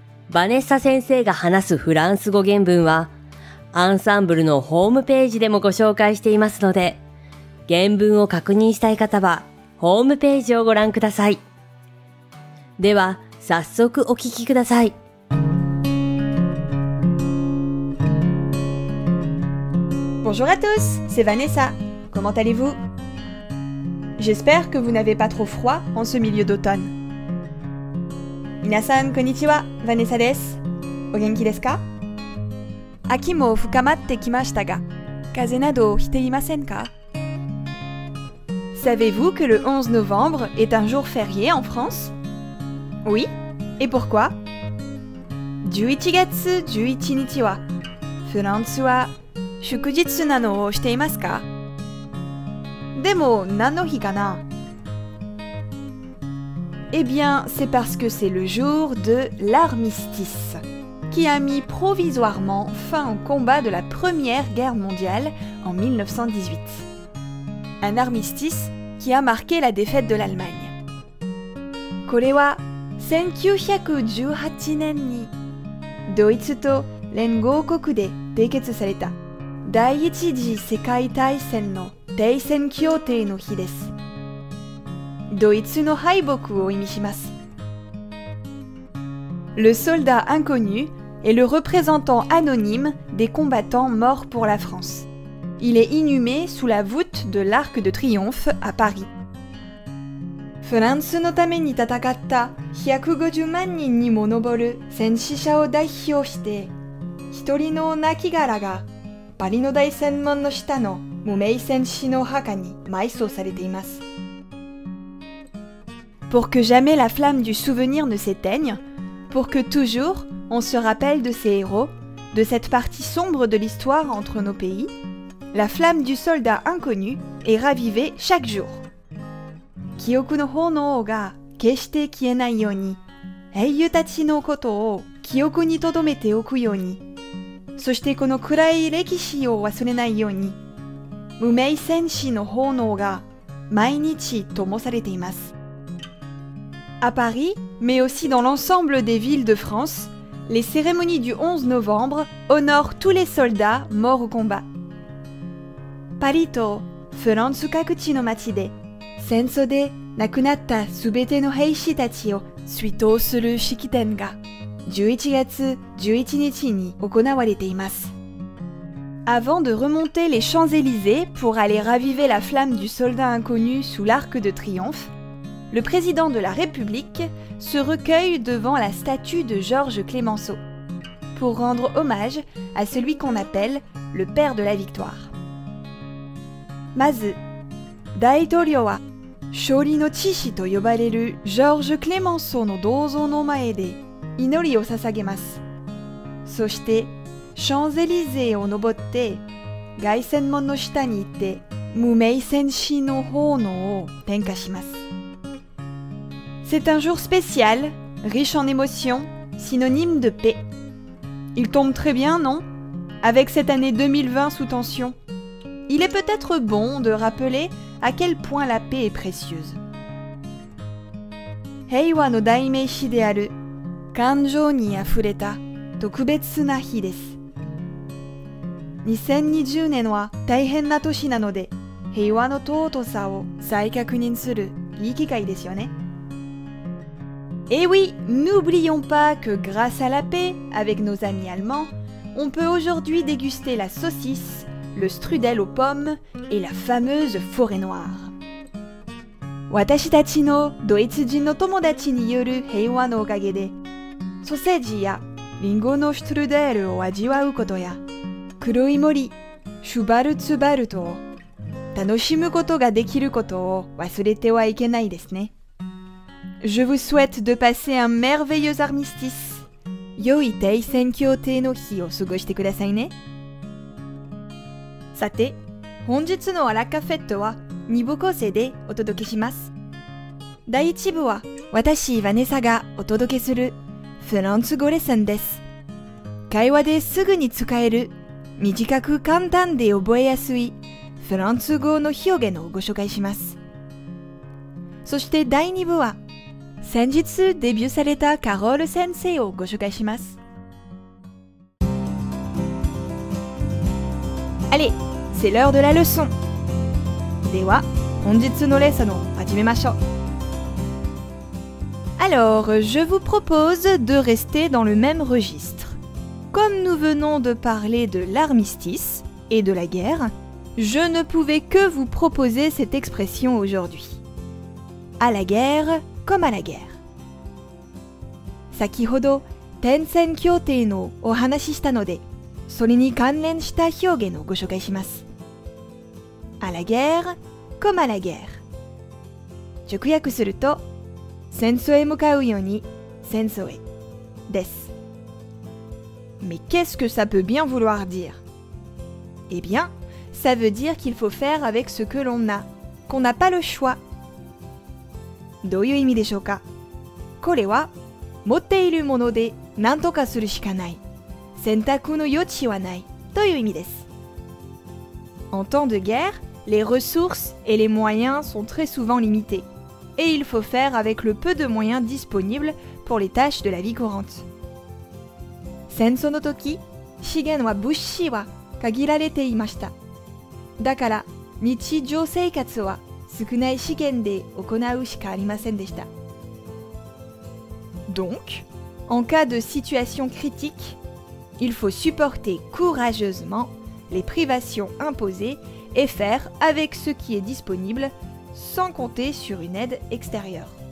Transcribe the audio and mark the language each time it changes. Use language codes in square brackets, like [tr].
[ja] バネッサ先生が話すフランス語原文はアンサンブルのホームページでもご紹介していますので、原文を確認したい方はホームページをご覧ください。では早速お聞きください。 [fr] Bonjour à tous, c'est Vanessa. Comment allez-vous? J'espère que vous n'avez pas trop froid en ce milieu d'automne. [ja] 皆さん、こんにちは。Vanessa です。お元気ですか？秋も深まってきましたが、風邪などひいていませんか？ [fr] Savez-vous que le 11 novembre est un jour férié en France? Oui, et pourquoi? [ja] 11月11日は、フランスは祝日なのをしていますか？でも何の日かな？ [fr] Eh bien, c'est parce que c'est le jour de l'armistice, qui a mis provisoirement fin au combat de la Première Guerre mondiale en 1918. Un armistice qui a marqué la défaite de l'Allemagne. [ja] これは1918年にドイツと連合国で締結された第一次世界大戦の停戦協定の日です。ドイツの敗北を意味します。 [fr] Le soldat inconnu est le représentant anonyme des combattants morts pour la France. Il est inhumé sous la voûte de l'Arc de Triomphe à Paris. [ja] フランスのために戦った150万人にも上る戦死者を代表して、一人の亡骸がパリの大戦門の下の無名戦士の墓に埋葬されています。 [fr] Pour que jamais la flamme du souvenir ne s'éteigne, pour que toujours on se rappelle de ces héros, de cette partie sombre de l'histoire entre nos pays, la flamme du soldat inconnu est ravivée chaque jour. [ja] 記憶の炎が決して消えないように、英雄たちのことを記憶に留めておくように、そしてこの暗い歴史を忘れないように、無名戦士の炎が毎日灯されています。 [fr] À Paris, mais aussi dans l'ensemble des villes de France, les cérémonies du 11 novembre honorent tous les soldats morts au combat. [ja] パリとフランス各地の街で、戦争で亡くなったすべての兵士たちを追悼する式典が11月11日に行われています。 [fr] Avant de remonter les Champs-Élysées pour aller raviver la flamme du soldat inconnu sous l'Arc de Triomphe, le président de la République se recueille devant la statue de Georges Clemenceau pour rendre hommage à celui qu'on appelle le père de la victoire. [ja] まず、大統領は勝利の騎士と呼ばれるジョージ・クレメンソーの銅像の前で祈りを捧げます。そして、シャンゼリゼを登って、凱旋門の下に行って、無名戦士の炎を点火します。 [fr] C'est un jour spécial, riche en émotions, synonyme de paix. Il tombe très bien, non? Avec cette année 2020 sous tension. Il est peut-être bon de rappeler à quel point la paix est précieuse. [ja] 平和の代名詞である感情にあふれた特別な日です。 2020年は大変な年なので、平和の尊さを再確認するいい機会ですよね。 [fr] Et oui, n'oublions pas que grâce à la paix avec nos amis allemands, on peut aujourd'hui déguster la saucisse. Le strudel aux pommes et la fameuse forêt noire. [ja] 私たちのドイツ人の友達による平和のおかげで、ソーセージやリンゴのシュトルデールを味わうことや、黒い森、シュバルツバルトを楽しむことができることを忘れてはいけないですね。 [fr] Je vous souhaite de passer un merveilleux armistice. [ja] 良い停戦協定の日を過ごしてくださいね。さて、本日のアラカフェットは2部構成でお届けします。第1部は私、ヴァネサがお届けするフランス語レッスンです。会話ですぐに使える、短く簡単で覚えやすいフランス語の表現をご紹介します。そして第2部は先日デビューされたカロール先生をご紹介します。 [fr] Allez, c'est l'heure de la leçon. [ja] では、本日のレッスンを始めましょう。 [fr] Alors, je vous propose de rester dans le même registre. Comme nous venons de parler de l'armistice et de la guerre, je ne pouvais que vous proposer cette expression aujourd'hui. À la guerre comme à la guerre. [ja] 先ほど、停戦協定のお話ししたので、それに関連した表現をご紹介します。 [fr] À la guerre comme à la guerre. [ja] 直訳すると、戦争へ向かうように、戦争へ、です。 [fr] Mais qu'est-ce que ça peut bien vouloir dire? Eh bien, ça veut dire qu'il faut faire avec ce que l'on a, qu'on n'a pas le choix. [ja] どういう意味でしょうか?これは、持っているもので何とかするしかない。選択の余地はない、という意味です。 [fr] En temps de guerre, les ressources et les moyens sont très souvent limités. Et il faut faire avec le peu de moyens disponibles pour les tâches de la vie courante. [ja] 戦争の時、資源は物資は限られていました。だから、日常生活は少ない資源で行うしかありませんでした。 [fr] Donc, en cas de situation critique, il faut supporter courageusement les privations imposées et faire avec ce qui est disponible. Sans compter sur une aide extérieure.